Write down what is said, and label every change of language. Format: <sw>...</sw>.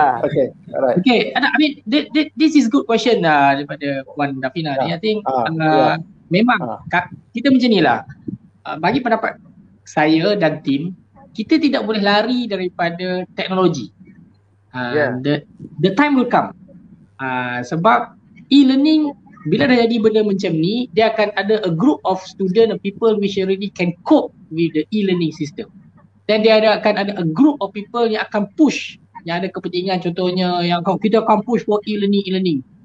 <en>Okay, this is good question</en> <ms>daripada Puan Davina ni.</ms> <en>I think</en> <ms>memang kita macam ni lah. Bagi pendapat saya dan tim, kita tidak boleh lari daripada teknologi.</ms> <en>The time will come.</en> <ms>Sebab</ms> <en>e-learning</en> <ms>bila dah jadi benda macam ni, dia akan ada</ms> <en>a group of student, people which already can cope with the e-learning system. Then</en> <ms>dia akan ada</ms> <en>a group of people</en> <ms>yang akan push, yang ada kepentingan, contohnya yang kita akan</ms> <en>push for e-learning.</en>